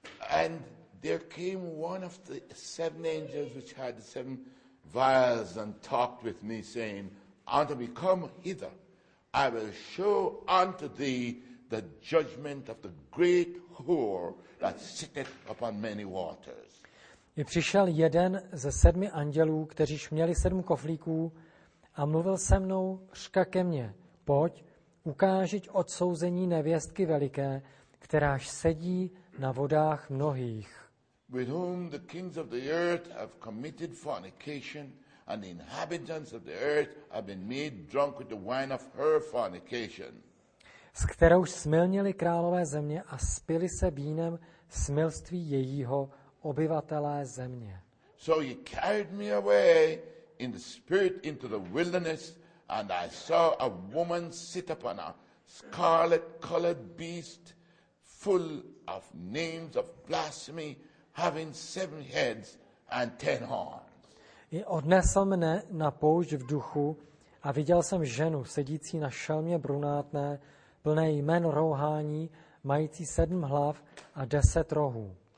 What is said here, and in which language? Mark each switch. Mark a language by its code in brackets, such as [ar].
[en] And there came one of the seven angels which had the seven vials and talked with me, saying, unto me, come hither, I will show unto thee the judgment of the great whore that sitteth upon many waters. [cs] I přišel jeden ze sedmi andělů, kteříž měli sedm koflíků, a mluvil se mnou, řka ke mně, pojď, ukážiť odsouzení nevěstky veliké, kteráž sedí na vodách mnohých. [en] With whom the kings of the earth have committed fornication, and the inhabitants of the earth have been made drunk with the wine of her fornication. [cs] S kterou smilnili králové země a spili se vínem smilství jejího obyvatelé země. [en] So he carried me away in the spirit into the wilderness, and I saw a woman sit upon a scarlet-colored beast, full of names of blasphemy, having seven heads and ten horns. [cs] I odnesl mne na poušť v duchu a viděl jsem ženu sedící na šelmě brunátné, plné jmen rouhání, mající sedm hlav a deset rohů.